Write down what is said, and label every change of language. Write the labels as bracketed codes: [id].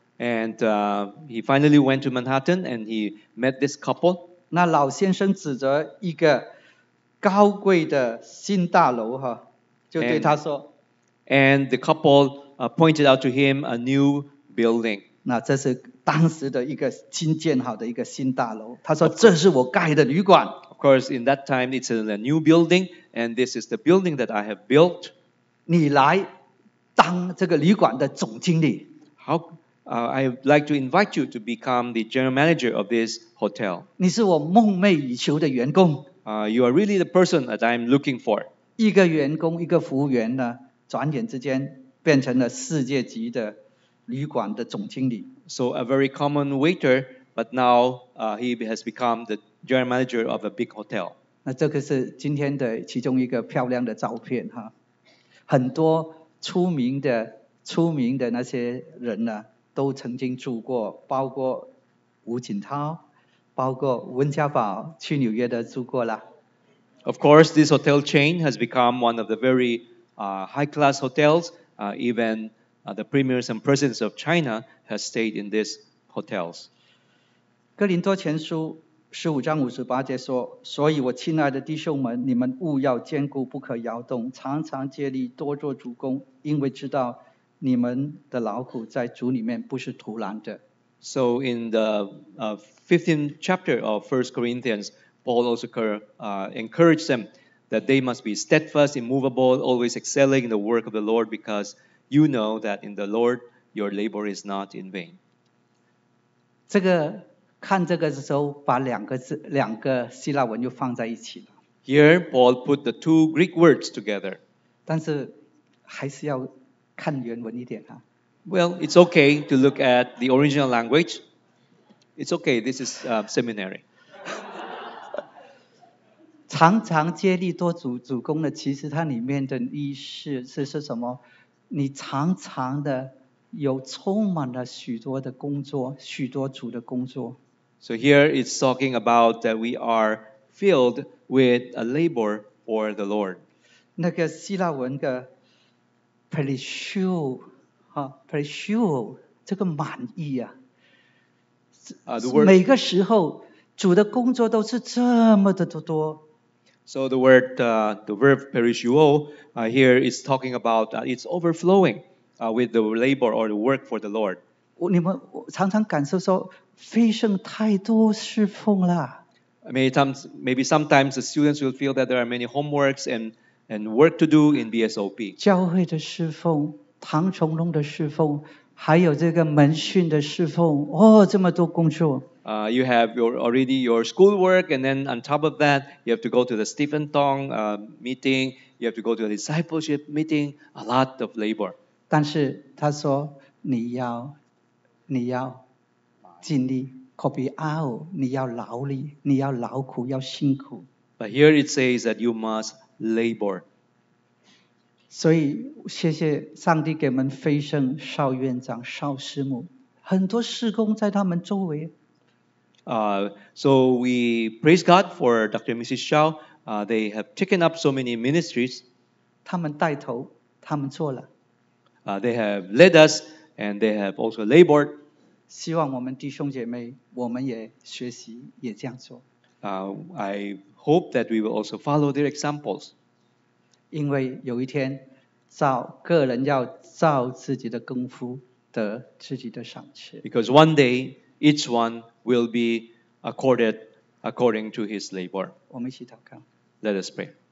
[en] and he finally went to Manhattan and he met this couple. [zh] 那老先生指着一个高贵的新大楼哈，就对他说 [en] and the couple pointed out to him a new building. [zh] 那这是。当时的一个新建好的一个新大楼，他说：“这是我盖的旅馆。” [en] Of course, in that time, it's a new building, and this is the building that I have built. [zh] 你来当这个旅馆的总经理。 [en] I would like to invite you to become the general manager of this hotel. [zh] 你是我梦寐以求的员工。 [en] You are really the person that I'm looking for. [zh] 一个员工，一个服务员呢，转眼之间变成了世界级的旅馆的总经理。 [en] So a very common waiter, but now he has become the general manager of a big hotel. [zh] 那这个是今天的其中一个漂亮的照片哈，很多出名的那些人呢，都曾经住过，包括吴锦涛，包括温家宝去纽约的住过了。 [en] Of course, this hotel chain has become one of the very high-class hotels. The premiers and presidents of China. Has stayed in these hotels. [zh] 哥林多前书十五章五十八节说：“所以，我亲爱的弟兄们，你们务要坚固，不可摇动，常常竭力，多做主工，因为知道你们的劳苦在主里面不是徒然的。” [en] So in the 15th chapter of 1 Corinthians, Paul also encouraged them that they must be steadfast, immovable, always excelling in the work of the Lord, because you know that in the Lord. Your labor is not in vain. [zh] 这个看这个的时候，把两个希腊文又放在一起了。 [en] Here, Paul put the two Greek words together. [zh] 但是还是要看原文一点啊。 [en] Well, it's okay to look at the original language. It's okay. This is seminary. [zh] 常常接力多主攻的，其实它里面的意思是什么？你常常的。有充满了许多的工作，许多主的工作。 [en] So here it's talking about that we are filled with a labor for the Lord. [zh] 那个希腊文的 perishu 这个满意啊。每个时候主的工作都是这么的多。 [en] So the word, the verb perishuo, here is talking about it's overflowing with the labor or the work for the Lord. [zh] 你们常常感受说飞升太多侍奉了。 [en] Maybe sometimes the students will feel that there are many homeworks and work to do in BSOP. [zh] 教会的侍奉，唐崇龙的侍奉，还有这个门训的侍奉，哦，这么多工作。 [en] You have already your schoolwork, and then on top of that, you have to go to the Stephen Tong meeting, you have to go to the discipleship meeting, a lot of labor. [zh] 但是他说你要尽力 [en] copy out, [zh] 你要劳力，你要劳苦，要辛苦。 [en] But here it says that you must labor. [zh] 所以谢谢上帝给我们飞升少院长、少师母，很多事工在他们周围。 [en] So we praise God for Dr. and Mrs. Shao. They have taken up so many ministries. [zh] 他们带头，他们做了。 [en] They have led us and they have also labored. [zh] 希望我们弟兄姐妹，我们也学习，也这样做。 [en] I hope that we will also follow their examples. [zh] 因为有一天，照个人要照自己的功夫得自己的赏赐。 [en] Because one day, each one will be accorded according to his labor. [zh] 我们一起祷告。 [en] Let us pray.